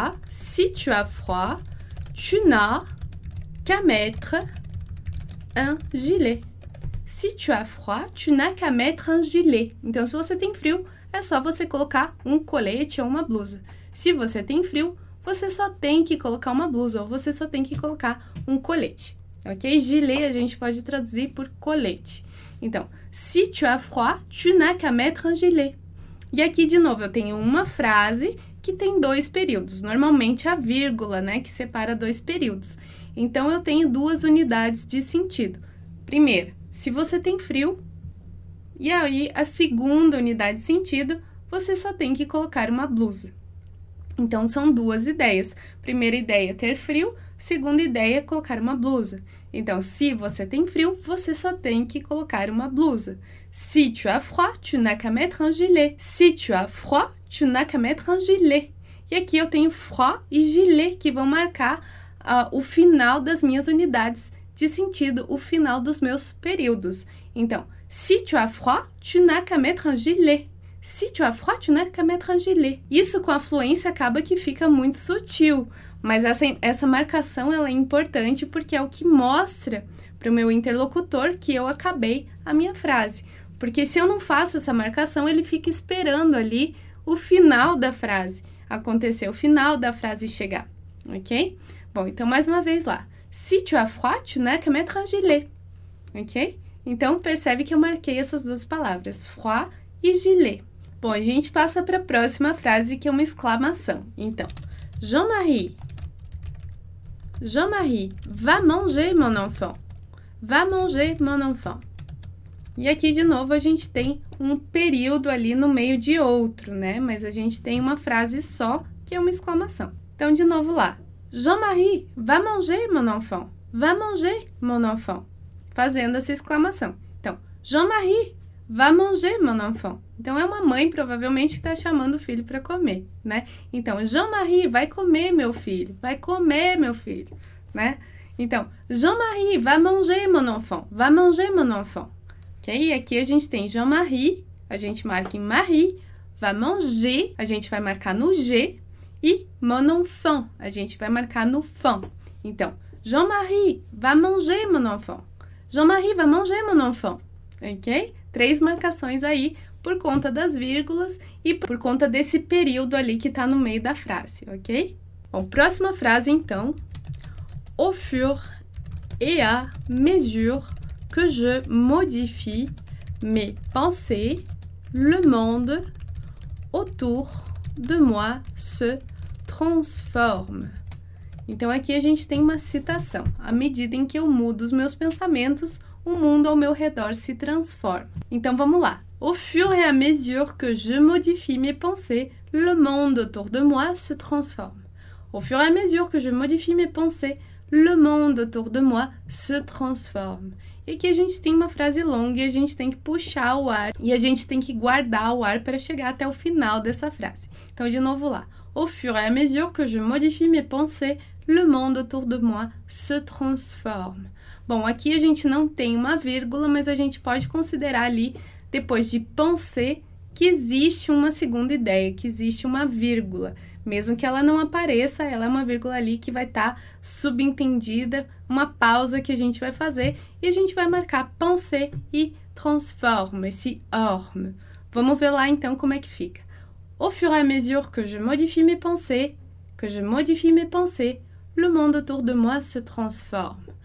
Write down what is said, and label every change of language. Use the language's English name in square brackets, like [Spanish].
[French] Si tu as froid, tu n'as qu'à mettre un gilet. Si tu as froid, tu n'as qu'à mettre un gilet. [Portuguese] Então, se você tem frio, é só você colocar um colete ou uma blusa. Se você tem frio, você só tem que colocar uma blusa ou você só tem que colocar um colete. Ok? Gilet a gente pode traduzir por colete. Então, [French] si tu as froid, tu n'as qu'à mettre un gilet. [Portuguese] E aqui, de novo, eu tenho uma frase que tem dois períodos. Normalmente, a vírgula, né, que separa dois períodos. Então, eu tenho duas unidades de sentido. Primeira, se você tem frio, e aí a segunda unidade de sentido, você só tem que colocar uma blusa. Então, são duas ideias. Primeira ideia, ter frio. Segunda ideia, colocar uma blusa. Então, se você tem frio, você só tem que colocar uma blusa. [French] Si tu as froid, tu n'as qu'à mettre un gilet. Si tu as froid, tu n'as qu'à mettre un gilet. [Portuguese] E aqui eu tenho froid e gilet, que vão marcar o final das minhas unidades de sentido, o final dos meus períodos. [French] Então, si tu as froid, tu n'as qu'à mettre un gilet. Si tu as froid, tu n'as qu'à mettre un gilet. [Portuguese] Isso com a fluência acaba que fica muito sutil, mas essa marcação ela é importante porque é o que mostra para o meu interlocutor que eu acabei a minha frase. Porque se eu não faço essa marcação, ele fica esperando ali o final da frase acontecer, o final da frase chegar, ok? Bom, então mais uma vez lá. [French] Si tu as froid, tu n'as qu'à mettre un gilet. Ok? [Portuguese] Então, percebe que eu marquei essas duas palavras, froid e gilet. Bom, a gente passa para a próxima frase, que é uma exclamação. [French] Então, Jean-Marie, va manger, mon enfant. Va manger, mon enfant. [Portuguese] E aqui, de novo, a gente tem um período ali no meio de outro, né? Mas a gente tem uma frase só, que é uma exclamação. Então, de novo lá. [French] Jean-Marie, va manger, mon enfant. Va manger, mon enfant. [Portuguese] Fazendo essa exclamação. Então, Jean-Marie, [French] va manger, mon enfant. [Portuguese] Então, é uma mãe, provavelmente, que está chamando o filho para comer, né? Então, Jean-Marie, vai comer, meu filho. Vai comer, meu filho, né? Então, Jean-Marie, [French] va manger, mon enfant. Va manger, mon enfant. [Portuguese] Ok? Aqui a gente tem Jean-Marie, a gente marca em Marie. va manger, a gente vai marcar no G. E mon enfant, a gente vai marcar no fã. [French] Então, Jean-Marie va manger, mon enfant. Jean-Marie va manger, mon enfant. Ok? [Portuguese] Três marcações aí por conta das vírgulas e por conta desse período ali que está no meio da frase, ok? Bom, próxima frase, então. [French] Au fur et à mesure que je modifie mes pensées, le monde autour de moi se transforme. [Portuguese] Então, aqui a gente tem uma citação. À medida em que eu mudo os meus pensamentos, o mundo ao meu redor se transforma. Então, vamos lá. [French] Au fur et à mesure que je modifie mes pensées, le monde autour de moi se transforme. Au fur et à mesure que je modifie mes pensées, le monde autour de moi se transforme. [Portuguese] E aqui a gente tem uma frase longa e a gente tem que puxar o ar e a gente tem que guardar o ar para chegar até o final dessa frase. Então, de novo lá. [French] Au fur et à mesure que je modifie mes pensées, le monde autour de moi se transforme. [Portuguese] Bom, aqui a gente não tem uma vírgula, mas a gente pode considerar ali, depois de penser, que existe uma segunda ideia, que existe uma vírgula. Mesmo que ela não apareça, ela é uma vírgula ali que vai estar subentendida, uma pausa que a gente vai fazer, e a gente vai marcar penser e transforme, esse orme. Vamos ver lá então como é que fica. [French] Au fur et à mesure que je modifie mes pensées, le monde autour de moi se transforme.